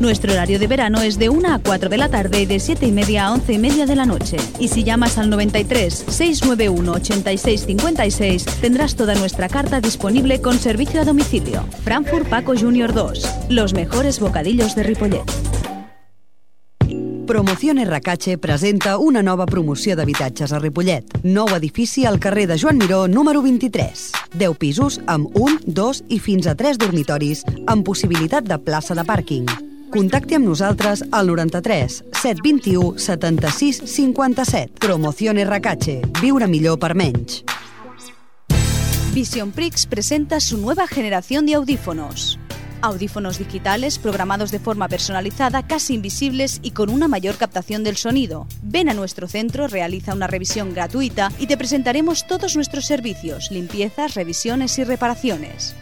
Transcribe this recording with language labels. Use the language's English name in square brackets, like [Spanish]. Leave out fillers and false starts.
[Spanish] Nuestro horario de verano es de 1 a 4 de la tarde y de 7:30 a 11:30 de la noche. Y si llamas al 93-691-8656, tendrás toda nuestra carta disponible con servicio a domicilio. Frankfurt Paco Junior 2. Los mejores bocadillos de Ripollet. [Catalan] Promociones Racache presenta una nova promoció d'habitatges a Ripollet. Nou edifici al carrer de Joan Miró, número 23. 10 pisos amb 1, 2 i fins a 3 dormitoris amb possibilitat de plaça de pàrquing. Contacte amb nosaltres al 93 721 76 57. Promociones Racache. Viure millor per menys. [Spanish] Vision Prix presenta su nueva generación de audífonos. Audífonos digitales programados de forma personalizada, casi invisibles y con una mayor captación del sonido. Ven a nuestro centro, realiza una revisión gratuita y te presentaremos todos nuestros servicios, limpiezas, revisiones y reparaciones.